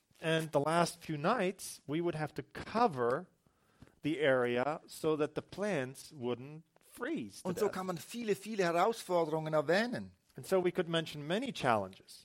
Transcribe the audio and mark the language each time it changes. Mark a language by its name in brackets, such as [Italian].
[English] And the last few nights we would have to cover the area so that the plants wouldn't freeze. [German] Und so kann man viele, viele Herausforderungen erwähnen. [English] And so we could mention many challenges.